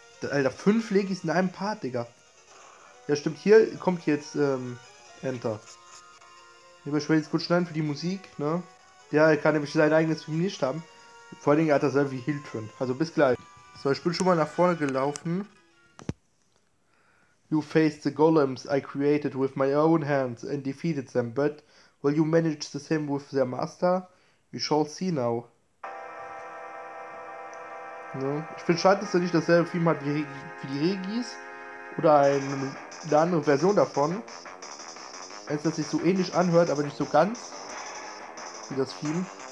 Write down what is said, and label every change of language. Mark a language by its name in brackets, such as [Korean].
[German] Alter, 5 Legis in einem Part, Digga. Ja, stimmt, hier kommt jetzt Enter. Ich werde jetzt kurz schneiden für die Musik, ne? Der kann nämlich sein eigenes Film nicht haben. Vor allen Dingen hat er selber wie Hiltren. Also bis gleich. So, ich bin schon mal nach vorne gelaufen. [English] You faced the golems I created with my own hands and defeated them, but will you manage the same with their master? We shall see now. [German] Ne? Ich finde schade, dass er nicht dasselbe Film hat wie die Regis. Oder eine andere Version davon. Eins, das sich so ähnlich anhört, aber nicht so ganz wie das Theme.